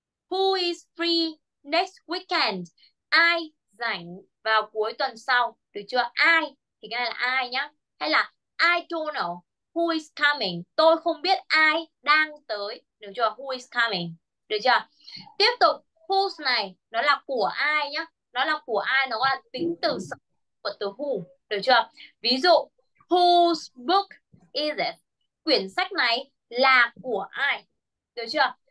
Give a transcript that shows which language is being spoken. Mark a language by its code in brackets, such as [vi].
[en] Who is free next weekend? [vi] Ai rảnh vào cuối tuần sau, được chưa? Ai thì cái này là ai nhá. Hay là [en] I don't know who is coming. [vi] Tôi không biết ai đang tới, được chưa? [en] Who is coming? [vi] Được chưa? Tiếp tục, who's này nó là của ai nhá. Nó là của ai, nó là tính từ sở của từ who, được chưa? Ví dụ [en] Whose book is it? [vi] Quyển sách này là của ai? Được chưa?